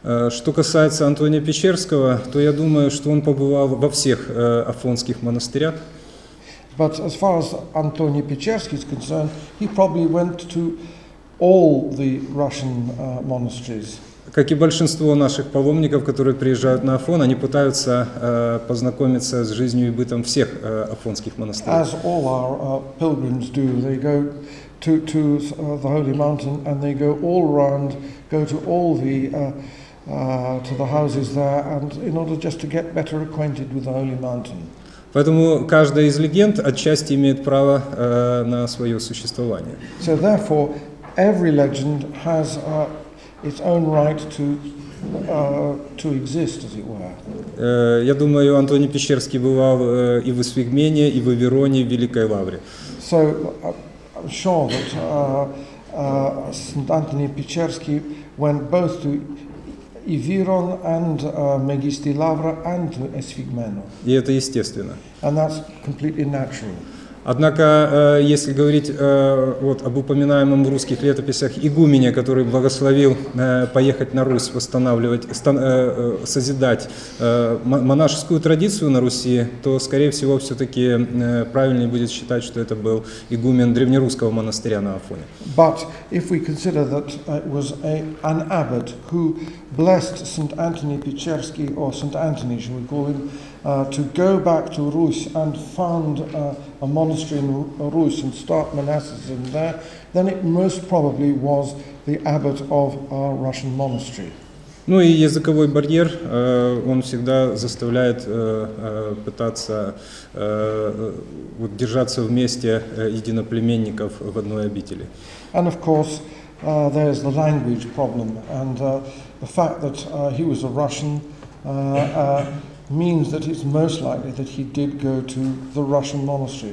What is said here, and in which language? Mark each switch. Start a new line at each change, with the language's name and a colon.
Russian: Что касается Антония Печерского, то я думаю, что он побывал во всех афонских монастырях.
English: But as far as Antony Pechersky is concerned, he probably went to all the Russian monasteries.
Russian: Как и большинство наших паломников, которые приезжают на Афон, они пытаются познакомиться с жизнью и бытом всех афонских монастырей.
English: As all our pilgrims do, they go to the Holy Mountain and they go all around, go to all the to the houses there, and in order just to get better acquainted with the Holy Mountain.
Russian: Поэтому каждая из легенд отчасти имеет право на свое существование.
English: So therefore, every legend has its own right to exist, as it were.
Russian: Я думаю, Антоний Печерский бывал и в Эсфигмене, и в Вероне, и в Великой Лавре.
English: So I'm sure that St. Anthony Pechersky went both to Ivirón and Megisti Lavra and to Esfigmeno.
Russian: И это естественно.
English: And that's completely natural.
Russian: Однако, если говорить вот, об упоминаемом в русских летописях игумене, который благословил поехать на Русь, восстанавливать, созидать монашескую традицию на Руси, то, скорее всего, все-таки правильнее будет считать, что это был игумен древнерусского монастыря на Афоне.
English: But if we consider that it was an abbot who blessed St. Anthony Pechersky, or St. Anthony, should we call him, to go back to Rus and found a monastery in Rus and start monasticism there, then it most probably was the abbot of our Russian monastery.
Russian: Ну и языковой барьер, он всегда заставляет пытаться вот, держаться вместе единоплеменников в одной обители.
English: And of course, there's the language problem, and the fact that he was a Russian means that it's most likely that he did go to the Russian monastery.